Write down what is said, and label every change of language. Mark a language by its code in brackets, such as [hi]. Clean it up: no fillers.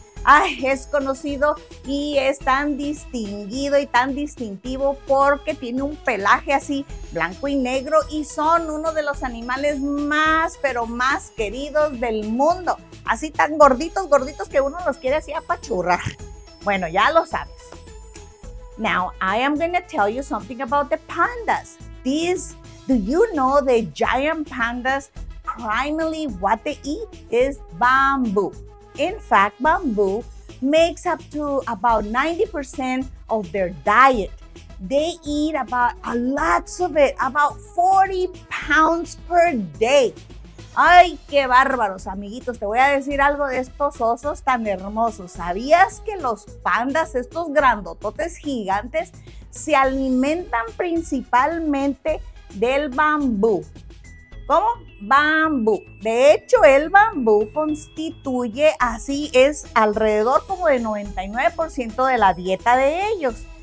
[es] Ay, es conocido y es tan distinguido y tan distintivo porque tiene un pelaje así blanco y negro y son uno de los animales más, pero más queridos del mundo. Así tan gorditos, gorditos que uno los quiere así apachurrar. Bueno, ya lo sabes. [en] Now, I am going to tell you something about the pandas. Do you know the giant pandas, primarily what they eat is bamboo. In fact, bamboo makes up to about 90% of their diet. They eat about a lots of it, about 40 pounds per day. [es] Ay, qué bárbaros, amiguitos. Te voy a decir algo de estos osos tan hermosos. ¿Sabías que los pandas, estos grandototes gigantes, se alimentan principalmente del bambú? ¿Cómo? Bambú. De hecho, el bambú constituye, así es, alrededor como de 99% de la dieta de ellos.